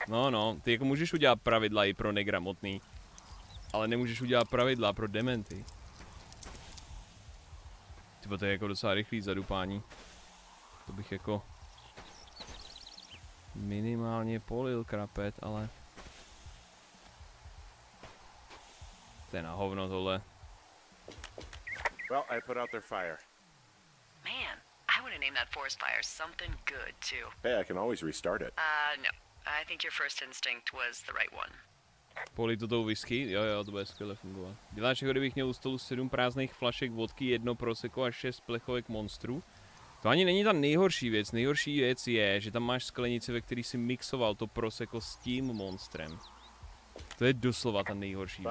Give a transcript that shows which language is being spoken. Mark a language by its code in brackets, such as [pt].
[cs] No, no, ty jako můžeš udělat pravidla i pro negramotný. Ale nemůžeš udělat pravidla pro dementy. Tyba, to je jako docela rychlý zadupání. To bych jako minimálně polil krapet, ale to je na hovno tohle. [en] Well, I put out their fire. Man, I want to name that forest fire something good too. Hey, I can always restart it. No. I think your first instinct was the right one. [cs] Polit to tou whisky? Jo, to bude skvěle fungovat. Děláš, jako kdybych měl u stolu 7 prázdných flašek vodky, 1 proseko a 6 plechovek monstru? To ani není ta nejhorší věc. Nejhorší věc je, že tam máš sklenici, ve který si mixoval to proseko s tím monstrem. To je doslova ta nejhorší věc.